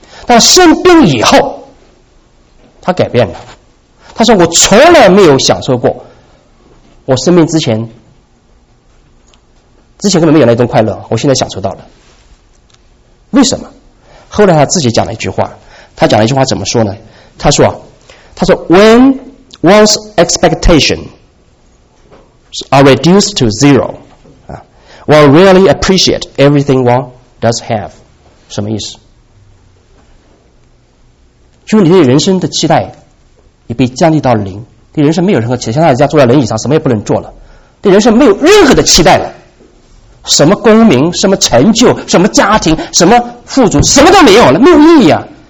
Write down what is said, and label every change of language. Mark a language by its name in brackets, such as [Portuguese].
[Chinese] 但生病以后他改变了，他说我从来没有享受过我生病之前根本没有那种快乐，我现在享受到了。为什么？后来他自己讲了一句话，他讲了一句话怎么说呢？他说 [English] When one's expectation are reduced to zero, one really appreciate everything one does have. [Chinese] 什么意思？就是你对人生的期待也被降低到零，对人生没有任何期待，像他家坐在轮椅上什么也不能做了，对人生没有任何的期待了，什么功名，什么成就，什么家庭，什么富足，什么都没有了，没有意义啊。